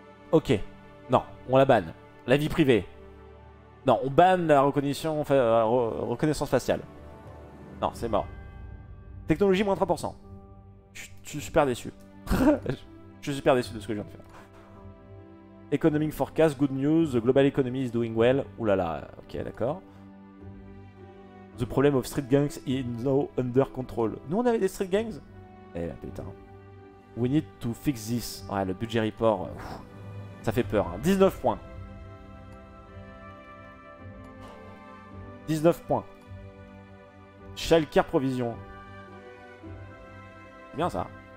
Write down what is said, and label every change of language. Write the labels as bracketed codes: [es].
[fr] Ok. Non, on la banne. La vie privée. Non, on banne la reconnaissance faciale. Non, c'est mort. Technologie, moins 3%. Je suis super déçu. Je suis super déçu de ce que je viens de faire. [en] Economic forecast, good news, the global economy is doing well. [fr] Oulala, ok, d'accord. [en] The problem of street gangs is now under control. [fr] Nous, on avait des street gangs? Eh, putain. [en] We need to fix this. [fr] Ouais, le budget report, ça fait peur. Hein. 19 points. [en] 19 points. Shellcare provision. [fr] C'est bien ça.